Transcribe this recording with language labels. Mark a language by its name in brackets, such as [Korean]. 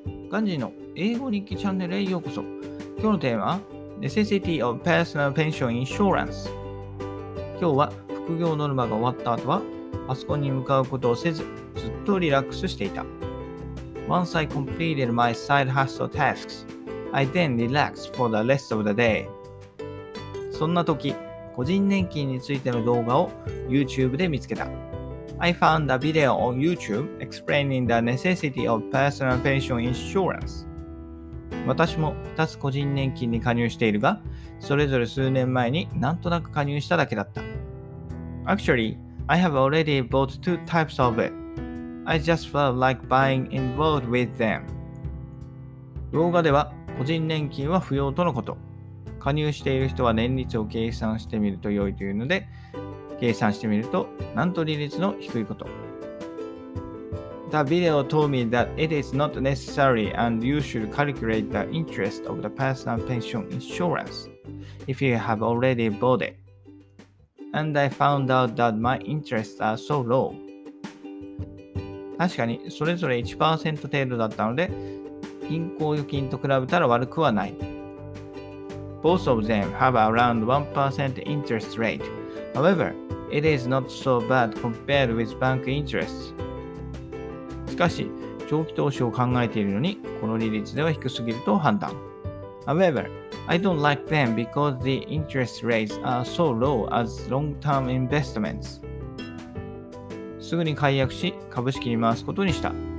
[Japanese] ガンジーの英語日記チャンネルへようこそ。今日のテーマは [English] Necessity of Personal Pension Insurance。 [Japanese] 今日は副業ノルマが終わった後はパソコンに向かうことをせず、ずっとリラックスしていた。 [English] Once I completed my side hustle tasks, I then relaxed for the rest of the day。 [Japanese] そんな時、個人年金についての動画を YouTube で見つけた。 [English] I found a video on YouTube explaining the necessity of personal pension insurance. [Japanese] 私も2つ個人年金に加入しているが、それぞれ数年前になんとなく加入しただけだった。 [English] Actually, I have already bought two types of it. I just felt like being involved with them. [Japanese] 動画では個人年金は不要とのこと。加入している人は年率を計算してみると良いというので、計算してみると、なんと利率の低いこと。 [English] The video told me that it is not necessary and you should calculate the interest of the personal pension insurance if you have already bought it. And I found out that my interests are so low. [Japanese] 確かに、それぞれ 1% 程度だったので、銀行預金と比べたら悪くはない。 [English] Both of them have around 1% interest rate. However,It is not so bad compared with bank interests. [Japanese] しかし、長期投資を考えているのに、この利率では低すぎると判断。 [English] However, I don't like them because the interest rates are so low as long-term investments. [Japanese] すぐに解約し、株式に回すことにした。